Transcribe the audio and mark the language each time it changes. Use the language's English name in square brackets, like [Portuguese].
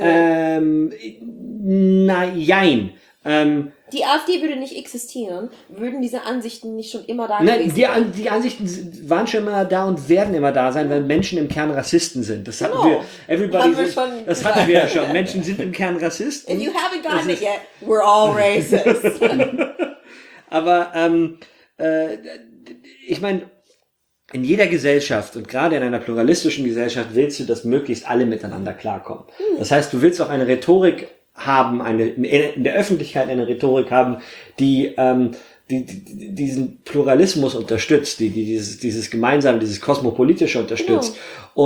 [German] Nein. Die AfD würde nicht existieren, würden diese Ansichten nicht schon immer da gewesen sein. Die Ansichten waren schon immer da und werden immer da sein, weil Menschen im Kern Rassisten sind. Das hatten wir. Das hatten wir ja schon. Menschen sind im Kern Rassisten. [English] If you haven't gotten it yet, we're all racist. [German] Aber ich meine, in jeder Gesellschaft und gerade in einer pluralistischen Gesellschaft willst du, dass möglichst alle miteinander klarkommen. Das heißt, du willst auch eine Rhetorik haben, eine in der Öffentlichkeit eine Rhetorik haben, die diesen Pluralismus unterstützt, die dieses gemeinsame, dieses kosmopolitische unterstützt. Genau.